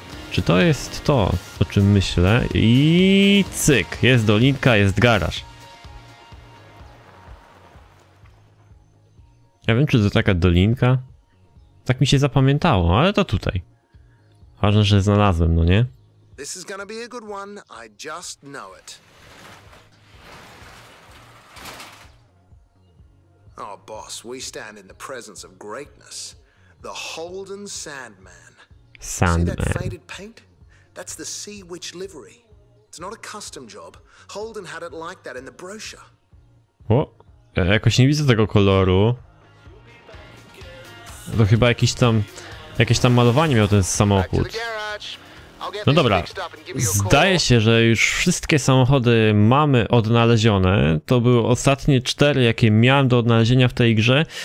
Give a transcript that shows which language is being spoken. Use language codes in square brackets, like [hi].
[pl] Czy to jest to, o czym myślę? I cyk, jest dolinka, jest garaż. Ja wiem, czy to taka dolinka. Tak mi się zapamiętało, ale to tutaj. Ważne, że znalazłem, no nie? [en] This is gonna be a good one, I just know it. Oh, boss, we stand in the presence of greatness. The Holden Sandman. Sandman. See that faded paint? That's the Sea Witch livery. It's not a custom job. Holden had it like that in the brochure. [pl] O, ja jakoś nie widzę tego koloru. To chyba jakieś tam malowanie miał ten samochód. No dobra, zdaje się, że już wszystkie samochody mamy odnalezione. To były ostatnie cztery, jakie miałem do odnalezienia w tej grze.